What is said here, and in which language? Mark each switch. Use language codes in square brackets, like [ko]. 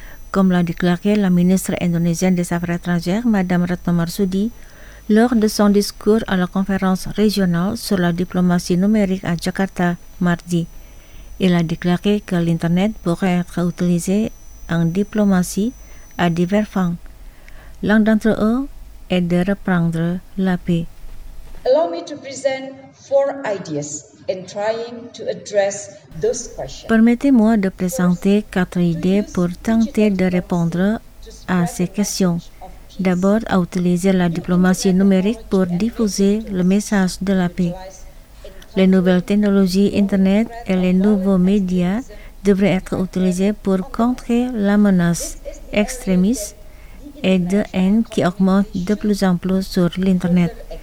[fr] Comme l'a déclaré la ministre indonésienne des Affaires étrangères, Mme Retno Marsudi, lors de son discours à la conférence régionale sur la diplomatie numérique à Jakarta mardi. Il a déclaré que l'Internet pourrait être utilisé en diplomatie à divers fins. L'un d'entre eux est de reprendre la paix. [en] Allow me to present four ideas in trying to address those questions. [fr] Permettez-moi de présenter quatre idées pour tenter de répondre à ces questions. D'abord, à utiliser la diplomatie numérique pour diffuser le message de la paix. Les nouvelles technologies Internet et les nouveaux médias devraient être utilisés pour contrer la menace extrémiste et de haine qui augmente de plus en plus sur l'Internet.